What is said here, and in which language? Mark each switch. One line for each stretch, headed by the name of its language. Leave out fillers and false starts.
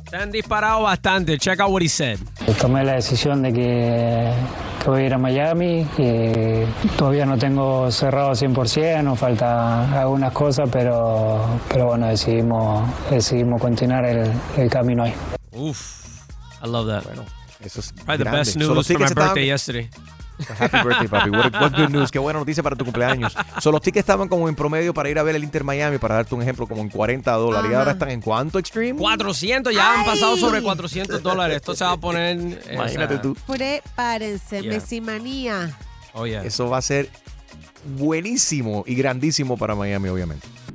Spanish: Se han disparado bastante.
English: Check out what he said.
Spanish: Tomé la decisión de que voy a ir a Miami. Que todavía no tengo cerrado 100%. Nos faltan algunas cosas, pero bueno, decidimos continuar el camino ahí.
English: Uf, I love that.
Spanish: Bueno, eso es
English: probably
Spanish: grande.
English: The best news for my birthday yesterday. Happy birthday, papi. What good news.
Spanish: Qué buena noticia para tu cumpleaños. So, los tickets estaban como en promedio para ir a ver el Inter Miami, para darte un ejemplo, como en $40. Uh-huh. ¿Y ahora están en cuánto, Extreme? 400. Ya han pasado sobre $400. Esto se va a poner... Imagínate tú. Prepárense. Yeah. Messimanía.
English: Oh, yeah.
Spanish: Eso va a ser buenísimo y grandísimo para Miami, obviamente.